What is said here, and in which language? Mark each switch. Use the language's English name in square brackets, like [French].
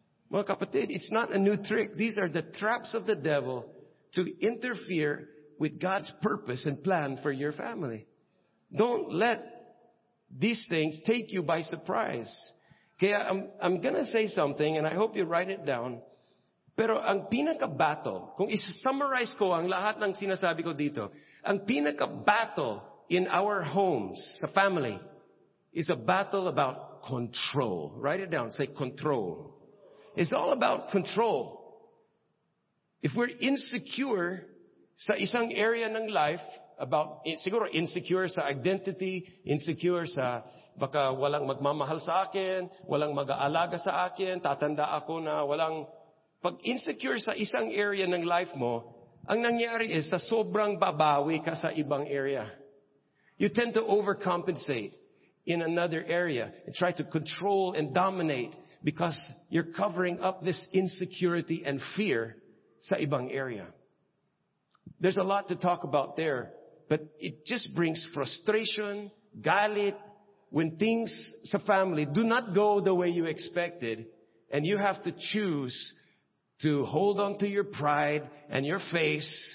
[Filipino] Mga kapatid, [English] it's not a new trick. These are the traps of the devil to interfere with God's purpose and plan for your family. Don't let these things take you by surprise. [Filipino] Kaya [English] I'm gonna say something and I hope you write it down. [Filipino] Pero ang pinaka-battle, kung isummarize ko ang lahat ng sinasabi ko dito, ang pinaka-battle [English] in our homes, [Filipino] sa family, [English] is a battle about control. Write it down. Say control. It's all about control. If we're insecure [Filipino] sa isang area ng life, about siguro insecure sa identity, insecure sa baka walang magmamahal sa akin, walang mag-aalaga sa akin, tatanda ako na walang... Pag insecure sa isang area ng life mo, ang nangyari is sa sobrang babawi ka sa ibang area. [English] You tend to overcompensate in another area and try to control and dominate because you're covering up this insecurity and fear [Filipino] sa ibang area. [English] There's a lot to talk about there, but it just brings frustration, [Filipino] galit, [English] when things [Filipino] sa family [English] do not go the way you expected and you have to choose to hold on to your pride and your face